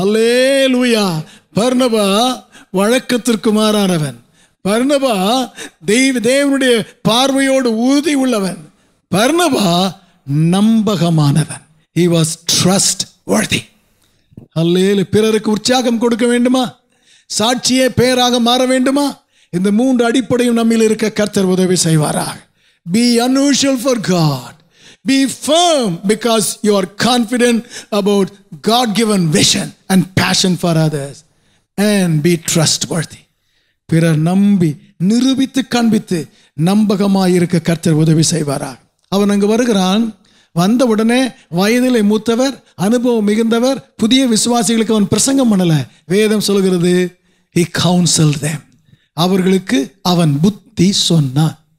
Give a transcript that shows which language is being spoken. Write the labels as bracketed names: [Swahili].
[Tamil] அல்லேலூயா. பர்னபா வழக்கத்திற்கு மாறானவன், பர்னபா தேவனுடைய பார்வையோடு உறுதி உள்ளவன், பர்னபா நம்பகமானவன். [English] He was trustworthy. அல்லேலூயா. [Tamil] பிறருக்கு உற்சாகம் கொடுக்க வேண்டுமா? சாட்சியே பெயராக மாற வேண்டுமா? இந்த மூன்று அடிப்படையும் நம்மில் இருக்க கர்த்தர் உதவி செய்வாராக. [English] Be unusual for God. Be firm because you are confident about God-given vision and passion for others. And be trustworthy. [Tamil] பிறர் நம்பி நிரூபித்து காண்பித்து நம்பகமாயிருக்க கர்த்தர் உதவி செய்வாரா. அவன் அங்கு வருகிறான். வந்த உடனே வயதிலே மூத்தவர், அனுபவம் மிகுந்தவர், புதிய விசுவாசிகளுக்கு அவன் பிரசங்கம் பண்ணலை. வேதம் சொல்கிறது, [English] he counsel them, [Tamil] அவர்களுக்கு அவன் புத்தி சொன்னான்.